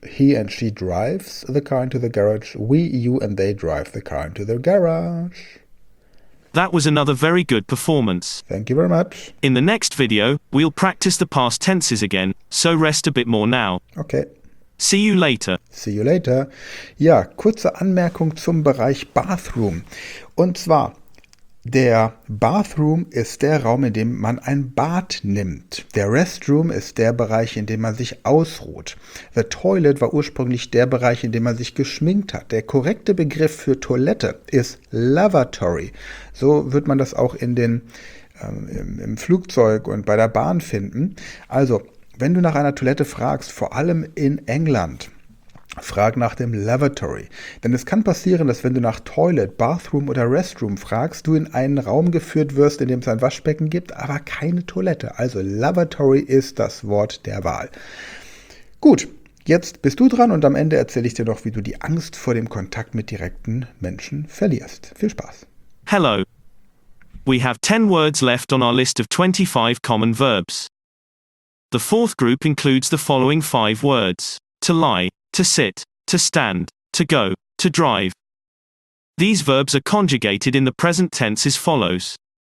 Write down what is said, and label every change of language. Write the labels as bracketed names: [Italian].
[English] He and she drives the car into the garage. We, you and they drive the car into the garage. That was another very good performance. Thank you very much. In the next video, we'll practice the past tenses again, so rest a bit more now. Okay. See you later. See you later. [German] Ja, kurze Anmerkung zum Bereich Bathroom. Und zwar, der Bathroom ist der Raum, in dem man ein Bad nimmt. Der Restroom ist der Bereich, in dem man sich ausruht. The Toilet war ursprünglich der Bereich, in dem man sich geschminkt hat. Der korrekte Begriff für Toilette ist Lavatory. So wird man das auch in den im Flugzeug und bei der Bahn finden. Also, wenn du nach einer Toilette fragst, vor allem in England, frag nach dem Lavatory. Denn es kann passieren, dass wenn du nach Toilet, Bathroom oder Restroom fragst, du in einen Raum geführt wirst, in dem es ein Waschbecken gibt, aber keine Toilette. Also Lavatory ist das Wort der Wahl. Gut, jetzt bist du dran und am Ende erzähle ich dir noch, wie du die Angst vor dem Kontakt mit direkten Menschen verlierst. Viel Spaß. [English] Hello. We have 10 words left on our list of 25 common verbs. The fourth group includes the following 5 words: to lie, to sit, to stand, to go, to drive. These verbs are conjugated in the present tense as follows.